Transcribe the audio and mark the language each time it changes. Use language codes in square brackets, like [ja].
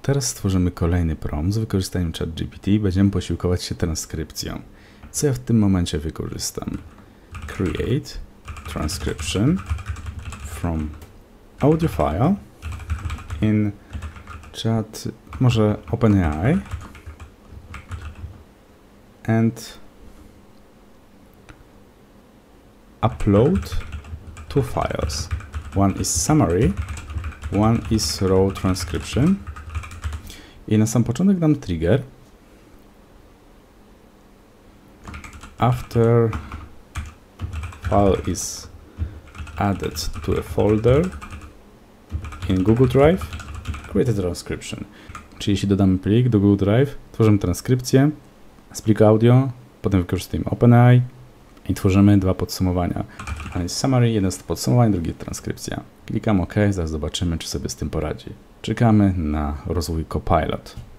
[pl] Teraz stworzymy kolejny prompt z wykorzystaniem ChatGPT i będziemy posiłkować się transkrypcją. Co ja w tym momencie wykorzystam? [en] Create transcription from audio file in chat, [pl] może [en] OpenAI, and upload two files. One is summary, one is raw transcription. [pl] I na sam początek dam trigger. [en] After file is added to a folder in Google Drive, create a transcription. [pl] Czyli jeśli dodamy plik do Google Drive, tworzymy transkrypcję z pliku audio, potem wykorzystujemy OpenAI i tworzymy dwa podsumowania. [en] One is summary, [pl] jeden z podsumowań, drugi transkrypcja. Klikam OK, zaraz zobaczymy, czy sobie z tym poradzi. Czekamy na rozwój Copilot.